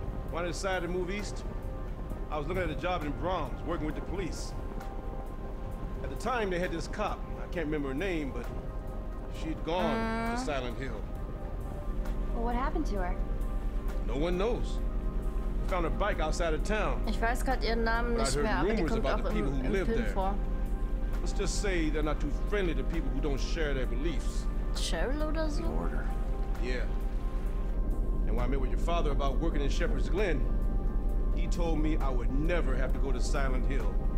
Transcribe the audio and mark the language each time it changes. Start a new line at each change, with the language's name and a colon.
English: When I decided to move east, I was looking at a job in Bronx, working with the police. At the time, they had this cop. I can't remember her name, but she'd gone to Silent Hill. Well, what happened to her? No one knows. We found her bike outside of town.
German: Ich weiß gerade ihren Namen nicht mehr, aber die kommt auch im Film vor.
English: Let's just say they're not too friendly to people who don't share their beliefs.
German: Cheryl oder so?
English: The order. Yeah. And when I met with your father about working in Shepherd's Glen, he told me I would never have to go to Silent Hill.